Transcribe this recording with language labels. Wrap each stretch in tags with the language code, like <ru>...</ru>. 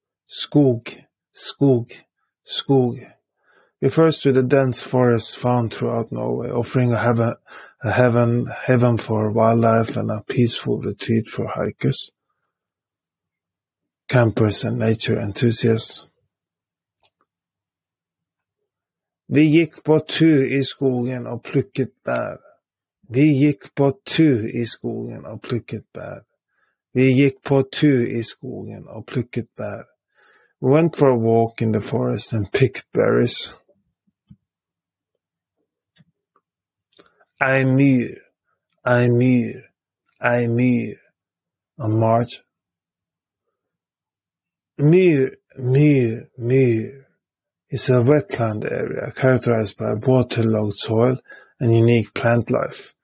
<no>Skog, skog, skog.</no> <en>Refers to the dense forest found throughout Norway, offering a heaven for wildlife and a peaceful retreat for hikers, campers and nature enthusiasts.</en> <no>Vi gikk på tur I skogen og plukket bær. Vi gikk på tur I skogen og plukket bær. Vi gikk på tur I skogen og plukket bær.</no> <en>We went for a walk in the forest and picked berries. Eimyr, eimyr, eimyr, a march. Myr, myr, myr is a wetland area characterized by waterlogged soil and unique plant life.</en>